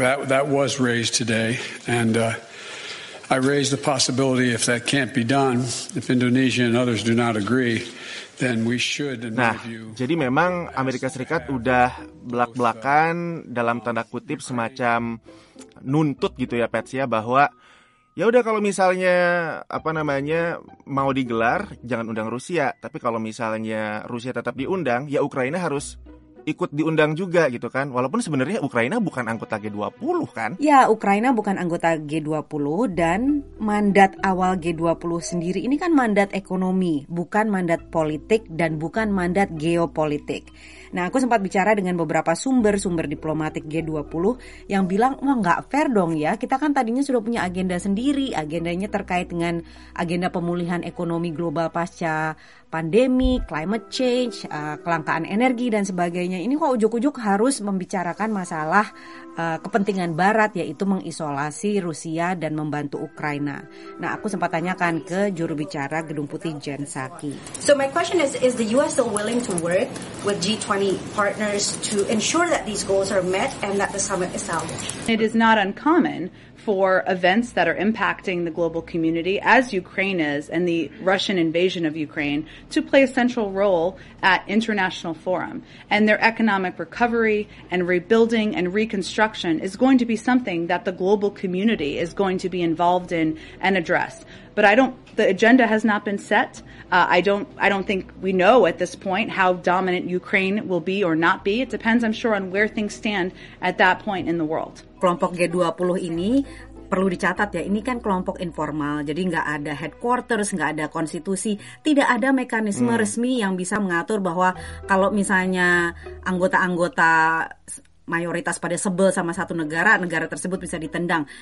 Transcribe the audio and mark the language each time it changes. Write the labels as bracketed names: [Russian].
[English] That was raised today, and I raised the possibility if that can't be done, if Indonesia and others do not agree, then we should. [Indonesian] Nah, jadi memang Amerika Serikat udah belak-belakan dalam tanda kutip semacam nuntut gitu ya, Pets ya, bahwa ya udah kalau misalnya mau digelar jangan undang Rusia, tapi kalau misalnya Rusia tetap diundang ya Ukraina harus ikut diundang juga gitu kan. Walaupun sebenarnya Ukraina bukan anggota G20 kan? Ya, Ukraina bukan anggota G20, dan mandat awal G20 sendiri ini kan mandat ekonomi, bukan mandat politik dan bukan mandat geopolitik. Nah, aku sempat bicara dengan beberapa sumber-sumber diplomatik G20 yang bilang, wah nggak fair dong ya, kita kan tadinya sudah punya agenda sendiri, agendanya terkait dengan agenda pemulihan ekonomi global pasca pandemi, climate change, kelangkaan energi dan sebagainya. Ini kok ujuk-ujuk harus membicarakan masalah kepentingan barat, yaitu mengisolasi Rusia dan membantu Ukraina. Nah, aku sempat tanyakan ke juru bicara Gedung Putih, Jen Psaki. [English] So my question is the US still willing to work with G20 Israeli partners to ensure that these goals are met and that the summit is held. It is not uncommon for events that are impacting the global community, as Ukraine is, and the Russian invasion of Ukraine, to play a central role at international forum. And their economic recovery and rebuilding and reconstruction is going to be something that the global community is going to be involved in and address. But the agenda has not been set. I don't think we know at this point how dominant Ukraine will be or not be. It depends, I'm sure, on where things stand at that point in the world. [Indonesian] Kelompok G20 ini perlu dicatat ya, ini kan kelompok informal, jadi nggak ada headquarters, nggak ada konstitusi, tidak ada mekanisme resmi yang bisa mengatur bahwa kalau misalnya anggota-anggota mayoritas pada sebel sama satu negara, negara tersebut bisa ditendang.